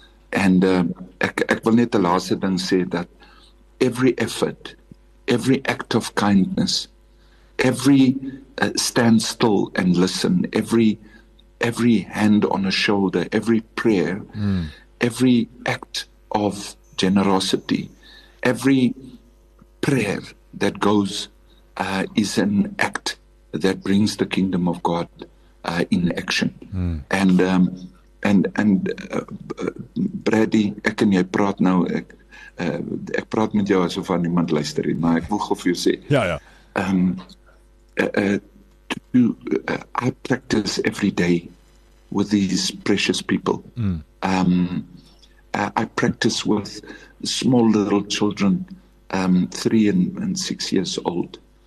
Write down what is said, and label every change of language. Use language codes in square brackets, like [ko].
[en] And [af] ek wil net 'n laaste ding sê dat [en] every effort, every act of kindness, every stand still and listen, every hand on a shoulder, every prayer, every act of generosity, every prayer that goes is an act that brings the kingdom of God in action. Mm. [af] And Brady, ek en jy praat nou, ek praat met jou asof aan niemand luister nie, maar ek wil gou vir jou sê. Ja, ja. [en] I practice every day with these precious people. I practice with small little children, 3 and 6 years old.